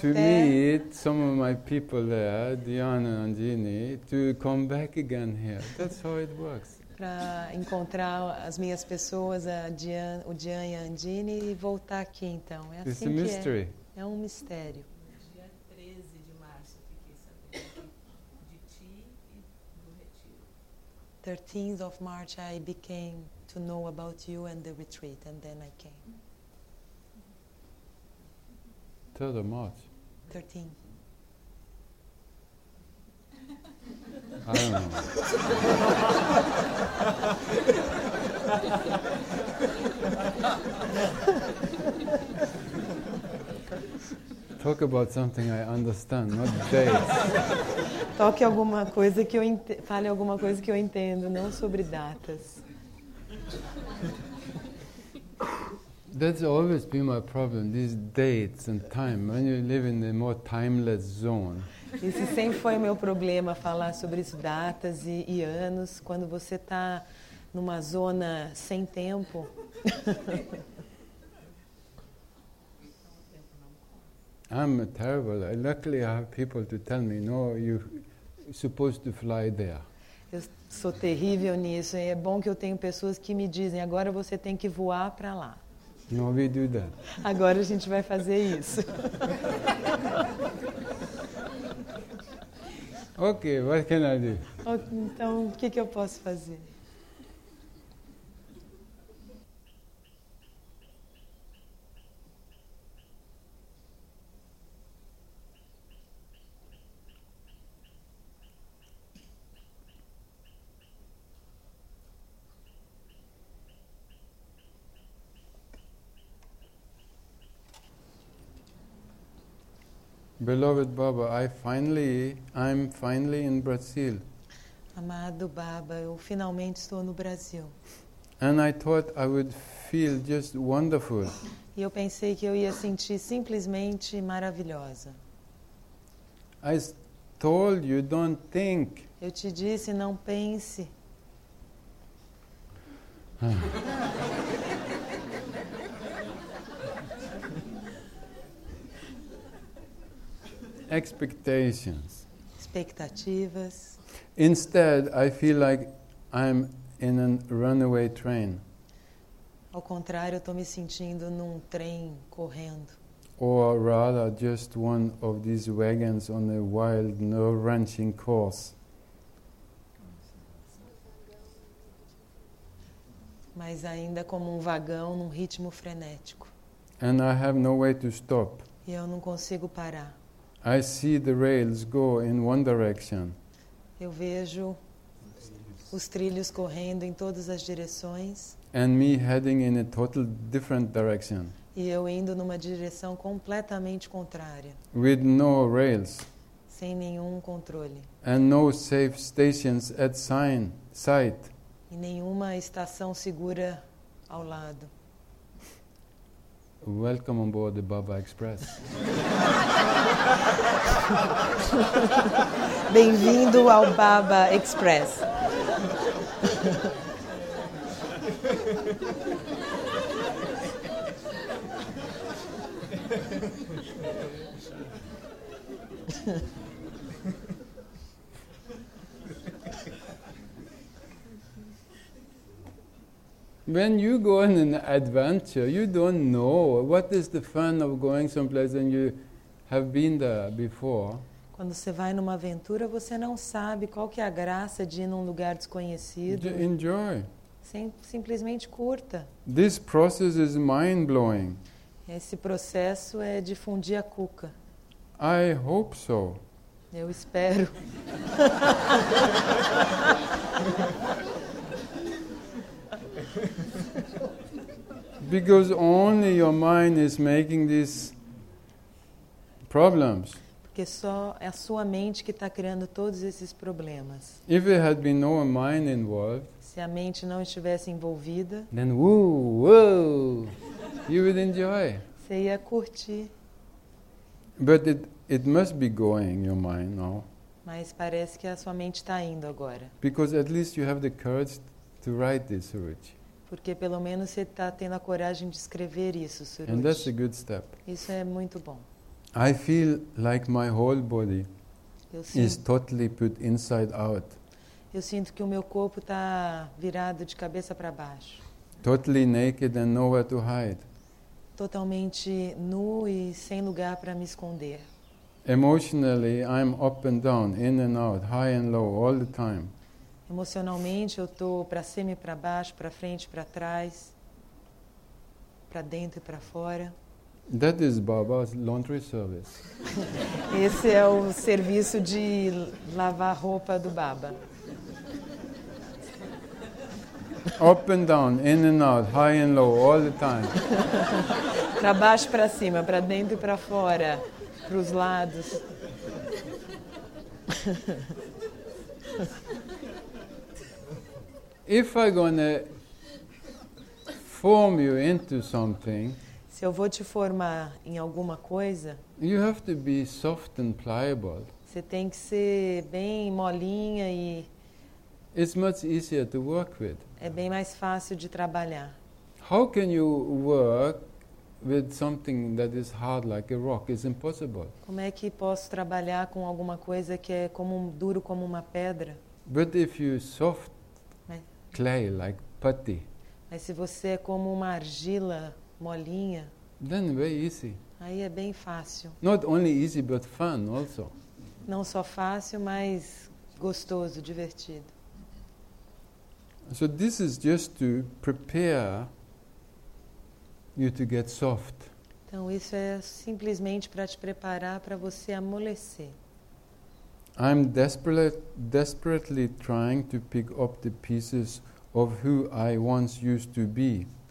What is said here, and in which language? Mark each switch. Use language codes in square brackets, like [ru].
[en] To meet some of my people there, Diane and Andini, to come back again here. That's how it works. [pt] Para encontrar as minhas pessoas, a Jean, o Jean e a Andine, e voltar aqui, então. É assim [en] It's a mystery. [pt] Que é. É um mistério. No dia 13 de março, fiquei sabendo de ti [en] 13th of March, I became to know about you and the retreat, and then I came. 3rd of March? 13th. I don't know. Talk about something I understand, not dates. [pt] Toque alguma coisa que eu fale alguma coisa que eu entendo, não sobre datas. [en] That's always been my problem, these dates and time. When you live in the more timeless zone. [pt] Esse sempre foi o meu problema, falar sobre datas e anos quando você está numa zona sem tempo. [en] I'm terrible. Luckily, I have people to tell me, no, you're supposed to fly there. [pt] Eu sou terrível nisso. É bom que eu tenho pessoas que me dizem, agora você tem que voar para lá. [en] No, we do that. [pt] Agora a gente vai fazer isso. [en] Okay, what can I do? [pt] Okay, então, o que eu posso fazer? [en] Beloved Baba, I'm finally in Brazil. [pt] Amado Baba, eu finalmente estou no Brasil. [en] And I thought I would feel just wonderful. [pt] E eu pensei que eu ia sentir simplesmente maravilhosa. [en] I told you, don't think. [pt] Eu te disse, não pense. [en] Expectations. [pt] Expectativas. [en] Instead, I feel like I'm in a runaway train. [pt] Ao contrário, eu tô me sentindo num trem correndo. [en] Or rather, just one of these wagons on a wild, nerve-wrenching course. [pt] Mas ainda como vagão num ritmo frenético. [en] And I have no way to stop. [pt] E eu não consigo parar. [en] I see the rails go in one direction. [pt] Eu vejo os trilhos correndo em todas as direções. [en] And me heading in a total different direction. [pt] E eu indo numa direção completamente contrária. [en] With no rails. [pt] Sem nenhum controle. [en] And no safe stations at sight. [pt] E nenhuma estação segura ao lado. [en] Welcome on board the Baba Express. [pt] Bem-vindo ao Baba Express. [en] When you go on an adventure, you don't know what is the fun of going someplace and you have been there before. [pt] Quando você vai numa aventura, você não sabe qual que é a graça de ir num lugar desconhecido. [en] Enjoy. [pt] Simplesmente curta. [en] This process is mind-blowing. [pt] Esse processo é de fundir a cuca. [en] I hope so. [pt] Eu espero. [en] Because only your mind is making these problems. [pt] Porque só é a sua mente que está criando todos esses problemas. [en] If there had been no mind involved, [pt] se a mente não estivesse envolvida, [en] then woo, woo, you would enjoy. [pt] Você ia curtir. [en] But it must be going your mind now. [pt] Mas parece que a sua mente está indo agora. [en] Because at least you have the courage to write this, Suruchi. [pt] Porque pelo menos você está tendo a coragem de escrever isso, Suruchi. [en] And that's a good step. [pt] Isso é muito bom. [en] I feel like my whole body is totally put inside out. [pt] Eu sinto que o meu corpo está virado de cabeça para baixo. [en] Totally naked and nowhere to hide. [pt] Totalmente nu e sem lugar para me esconder. [en] Emotionally, I'm up and down, in and out, high and low, all the time. [pt] Emocionalmente eu estou para cima e para baixo, para frente e para trás, para dentro e para fora. [en] That is Baba's laundry service. [pt] Esse é o serviço de lavar roupa do Baba. [en] Up and down, in and out, high and low, all the time. [pt] Para baixo e para cima, para dentro e para fora, para os lados. [en] If I'm gonna form you into something, [pt] se eu vou te formar em alguma coisa, [en] you have to be soft and pliable. [pt] Você tem que ser bem molinha e. [en] It's much easier to work with. [pt] É bem mais fácil de trabalhar. [en] How can you work with something that is hard like a rock? It's impossible. [pt] Como é que posso trabalhar com alguma coisa que é como duro como uma pedra? [en] But if you soft clay, like putty. [pt] Mas se você é como uma argila molinha, [en] then very easy. [pt] Aí é bem fácil. [en] Not only easy, but fun also. [pt] Não só fácil, mas gostoso, divertido. [en] So this is just to prepare you to get soft. [pt] Então isso é simplesmente para te preparar para você amolecer. [en] I'm desperately trying to pick up the pieces of who I once used to be.